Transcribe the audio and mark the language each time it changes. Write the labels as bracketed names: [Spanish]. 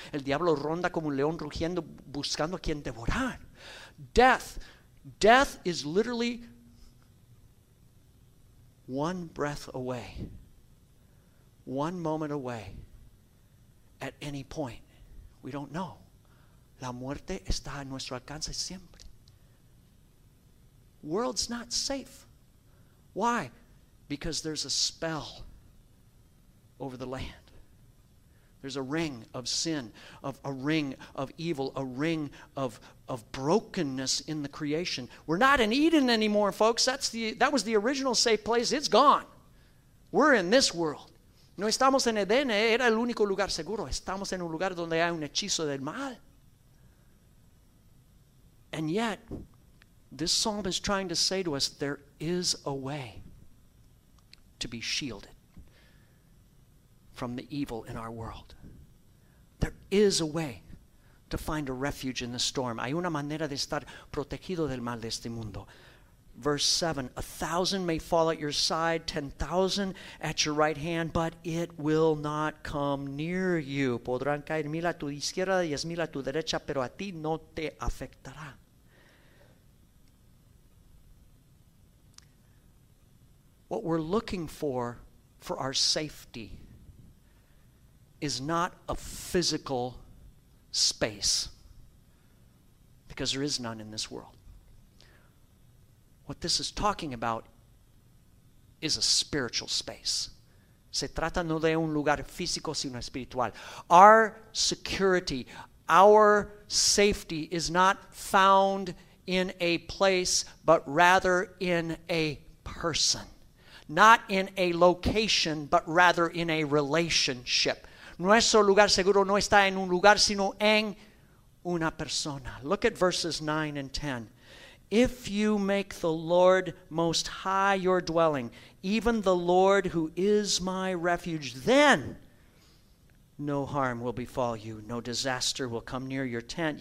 [Spanish] El diablo ronda como un león rugiendo buscando a quien devorar. [English] Death. Death is literally one breath away. One moment away. At any point. We don't know. [Spanish] La muerte está a nuestro alcance siempre. [English] World's not safe. Why? Because there's a spell over the land. There's a ring of sin, of a ring of evil, a ring of brokenness in the creation. We're not in Eden anymore, folks. That was the original safe place. It's gone. We're in this world. [Spanish] No estamos en Eden. Era el único lugar seguro. Estamos en un lugar donde hay un hechizo del mal. [English] And yet, this psalm is trying to say to us, there is a way to be shielded from the evil in our world. There is a way to find a refuge in the storm. [Spanish] Hay una manera de estar protegido del mal de este mundo. [English] Verse 7, 1,000 may fall at your side, 10,000 at your right hand, but it will not come near you. [Spanish] Podrán caer 1,000 a tu izquierda, 10,000 a tu derecha, pero a ti no te afectará. [English] What we're looking for our safety, is not a physical space, because there is none in this world. What this is talking about is a spiritual space. [Spanish] Se trata no de un lugar físico, sino espiritual. [English] Our security, our safety is not found in a place, but rather in a person. Not in a location, but rather in a relationship. [Spanish] Nuestro lugar seguro no está en un lugar, sino en una persona. [English] Look at verses 9 and 10. If you make the Lord Most High your dwelling, even the Lord who is my refuge, then no harm will befall you, no disaster will come near your tent.